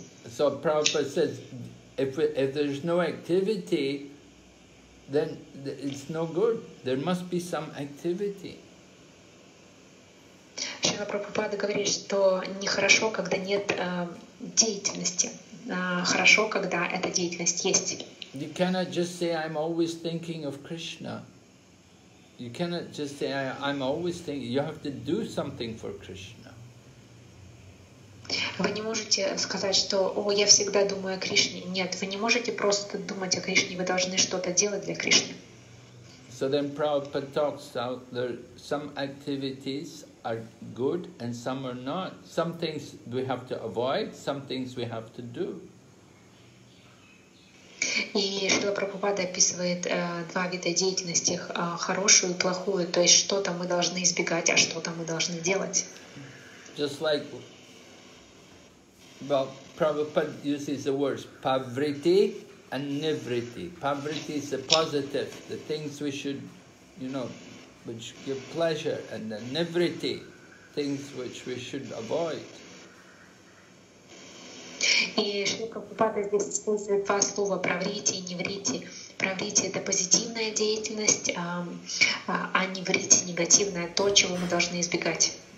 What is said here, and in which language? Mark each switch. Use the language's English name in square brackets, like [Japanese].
[English] So Prabhupada says, if there's no activity, then it's no good. There must be some activity. [Russian] Шрила Прабхупада говорит, что нехорошо, когда нет деятельности. Хорошо, когда эта деятельность есть. [English] You cannot just say, I'm always thinking of Krishna. You cannot just say, I'm always thinking. You have to do something for Krishna. [Russian] Вы не можете сказать, что «О, я всегда думаю о Кришне». Нет, вы не можете просто думать о Кришне, вы должны что-то делать для Кришны. [English] So then Prabhupada talks about that some activities are good and some are not. Some things we have to avoid, some things we have to do. [Russian] И Шрила Прабхупада описывает два вида деятельности, хорошую и плохую, то есть что-то мы должны избегать, а что-то мы должны делать. [English] Just like well, Prabhupada uses the words pavritti and nivritti. Pavritti is the positive, the things we should, you know, which give pleasure, and the nivritti, things which we should avoid. [Russian] И Шрила Прабхупада здесь использует два слова «правритти» и «невритти». «Правритти» — это позитивная деятельность, а «невритти» — негативная, то, чего мы должны избегать.